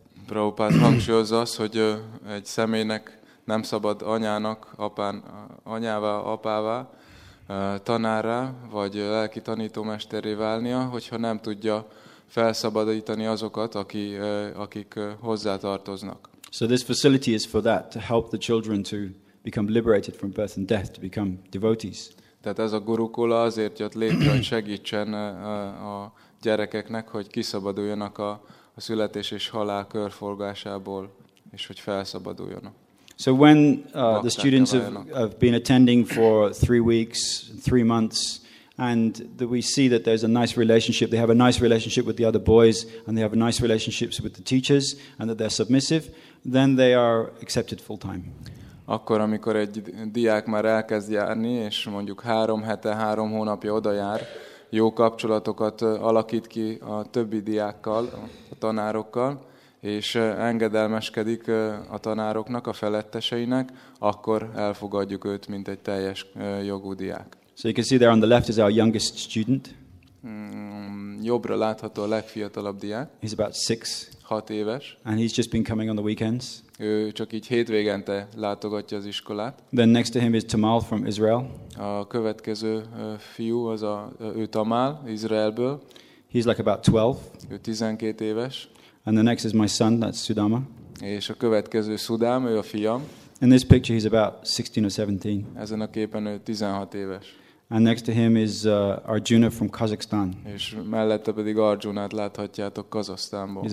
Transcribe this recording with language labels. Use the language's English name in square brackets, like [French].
[Hungarian] Prabhupada hangsúlyozza azt, hogy egy személynek nem szabad anyának, anyává, apává, tanárra vagy lelki tanítómesterré válnia, hogyha nem tudja felszabadítani azokat, akik hozzátartoznak. [English] So this facility is for that, to help the children to become liberated from birth and death, to become devotees. [Hungarian] Tehát ez a gurukula azért jött létre, hogy segítsen a gyerekeknek, hogy kiszabaduljanak a születés és halál körforgásából, és hogy felszabaduljanak. [English] So when the students have been attending for 3 weeks, 3 months, and that we see that there's a nice relationship, they have a nice relationship with the other boys, and they have a nice relationships with the teachers, and that they're submissive, then they are accepted full time. [Hungarian] Akkor, amikor egy diák már elkezd járni, és mondjuk 3 hete, 3 hónapja oda jár, jó kapcsolatokat alakít ki a többi diákkal, a tanárokkal, és engedelmeskedik a tanároknak, a feletteseinek, akkor elfogadjuk őt, mint egy teljes jogú diák. [English] So you can see there on the left is our youngest student. [Hungarian] Jobbra látható a legfiatalabb diák. [English] He's about 6. [Hungarian] 6 éves. [English] And he's just been coming on the weekends. [Hungarian] Ő csak így hétvégente látogatja az iskolát. [English] Then next to him is Tamal from Israel. [Hungarian] A következő fiú az ő Tamal, Izraelből. [English] He's like about 12. [Hungarian] Ő 12 éves. [English] And the next is my son, that's Sudama. [Hungarian] És a következő Sudam, ő a fiam. [English] In this picture he's about 16 or 17. [Hungarian] Ezen a képen ő 16 éves. [English] And next to him is Arjuna from Kazakhstan. [Hungarian] És mellette pedig Arjunát láthatjátok Kazasztánból.